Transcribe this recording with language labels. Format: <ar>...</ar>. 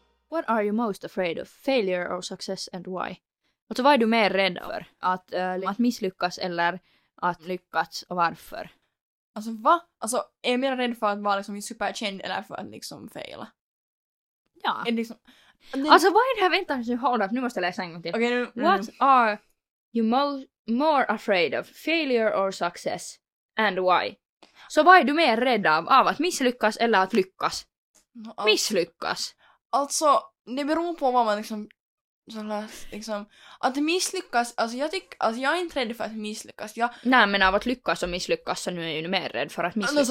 <en>What are you most afraid of? Failure or success and why?</en> <sv>Alltså, vad är du mer rädd för? Att misslyckas eller att lyckas, och varför? Alltså va? Alltså, är jag mer rädd för att vara liksom superkänd eller för att liksom faila? Ja. Är liksom, alltså vad är det här? Vänta,</sv> <en>hold up.</en> <sv>Nu måste jag läsa en gång till. Okay, nu,</sv> <en>what are you more afraid of? Failure or success? And why?</en> <sv>Så vad är du mer rädd av att misslyckas eller att lyckas? Misslyckas. Alltså, det beror på vad man liksom, liksom att misslyckas, alltså jag är inte rädd för att misslyckas. Nej, men av att lyckas och misslyckas, så nu är jag ju mer rädd för att misslyckas.</sv>